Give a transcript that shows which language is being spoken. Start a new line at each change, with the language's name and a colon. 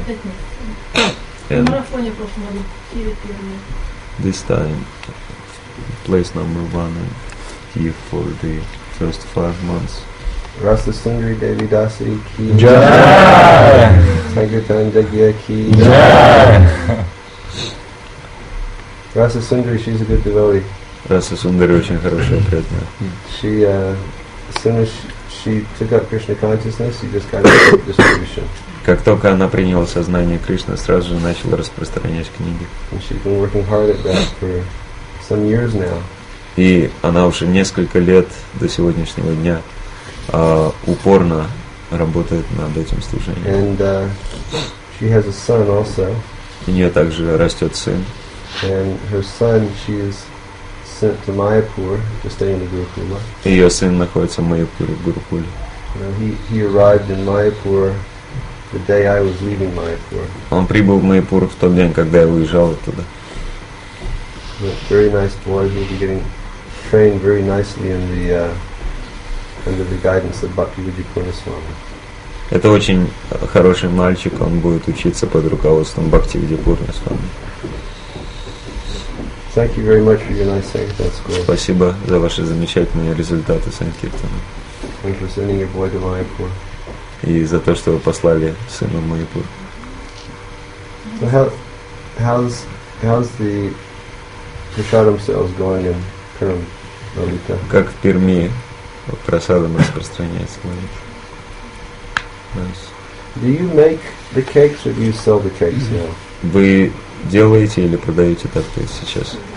Russian: Опять нет. В марафоне прошлого года Киев первое.
English: This time, place number one in Kiev for the first 5 months. Rasa Sundari Devi Dasi Ki. Jai! Sankirtan Jagya Ki. Jai! Rasa Sundari, she's a good devotee.
Russian: Rasa Sundari очень хорошая преданная.
English: She, as soon as she took up Krishna consciousness, she just got the distribution.
Russian: Как только она приняла сознание Кришны, сразу же начала распространять книги.
English: And she's been working hard at that for some years now.
Russian: И она уже несколько лет до сегодняшнего дня упорно работает над этим служением.
English: And she has a son also.
Russian: У нее также растет сын.
English: And her son, she is sent to Mayapur to stay in the Gurukula.
Russian: Ее сын находится в Майяпуре, в Гурукуле.
English: He arrived in Mayapur the day I was leaving Mayapur.
Russian: Он прибыл в Майяпур в тот день, когда я уезжал оттуда.
English: Very nice boy. He'll be getting trained very nicely in the under the guidance of Bhakti Vidyakuna Swami.
Russian: Это очень хороший мальчик, он будет учиться под руководством Бхакти Видьяпурна Свами.
English: Thank you very much for your nice Sankirtan school.
Russian: Спасибо за ваши замечательные результаты Санкиртана.
English: And for sending your boy to Mayapur.
Russian: И за то, что вы послали сына в Майяпур.
English: So how's the prasadam sales going in Perm, Lalita?
Russian: Как в Перми прасадам распространяется Лалита?
English: Nice. Do you make the cakes or do you sell the cakes now?
Russian: Вы делаете или продаете торты сейчас?